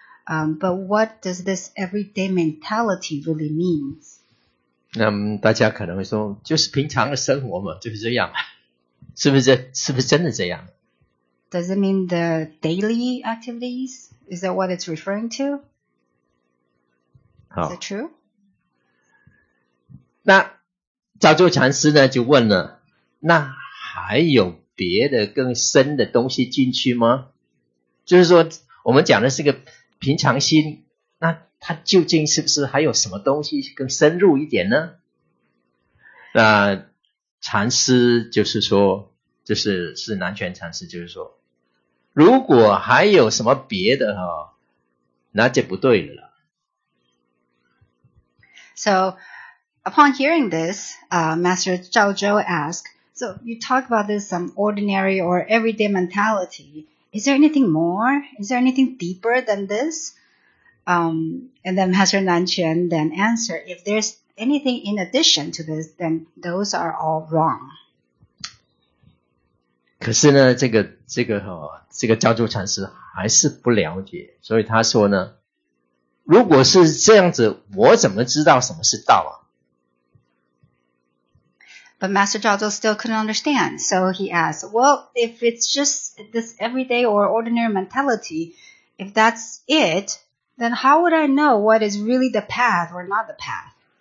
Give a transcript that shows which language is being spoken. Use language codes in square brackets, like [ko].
[en] But what does this everyday mentality really mean? [zh] 那大家可能会说，就是平常的生活嘛，就是这样，是不是真的这样 [en] ？Does it mean the daily activities? Is that what it's referring to? Is it true? [zh] 那赵州禅师呢就问了，那还有别的更深的东西进去吗？就是说，我们讲的是个平常心，那它究竟是不是还有什么东西更深入一点呢？那禅师就是说，就是南泉禅师就是说，如果还有什么别的哈，那就不对了。 [en] So upon hearing this, Master Zhao Zhou asked, "So you talk about this some ordinary or everyday mentality. Is there anything more? Is there anything deeper than this?" And then Master Nanquan then answer, if there's anything in addition to this, then those are all wrong. [zh] 可是呢，这个赵州禅师还是不了解，所以他说呢，如果是这样子，我怎么知道什么是道啊？ [en] But Master Zhao Zhou still couldn't understand. So he asked, well, if it's just this everyday or ordinary mentality, if that's it, then how would I know what is really the path or not the path?